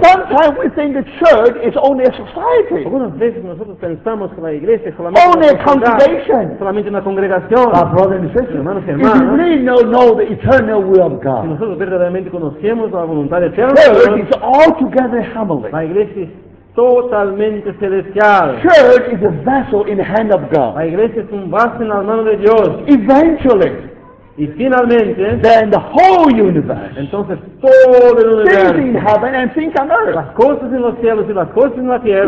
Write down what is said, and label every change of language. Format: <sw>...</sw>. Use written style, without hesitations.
<en>Sometimes we think the church is only a society.</en> <es>Algunas veces nosotros pensamos que la iglesia es solamente una congregación. Solamente una congregación.</es> <en>But brothers and sisters,</en> <es>hermanos y hermanas,</es> <en>if we really know the eternal will of God,</en> <es>si nosotros verdaderamente conocemos la voluntad de Dios,</es> <en>church is altogether heavenly.</en> <es>La iglesia es totalmente celestial.</es> <en>Church is a vessel in the hand of God.</en> <es>La iglesia es un vaso en la mano de Dios.</es> <en>Eventually,</en> <es>Y finalmente,</es> <en>then the whole universe.</en> <es>Entonces todo el universo.</es> <en>Things in heaven and things on earth.</en> <es>Las cosas en los cielos y las cosas en la tierra.</es>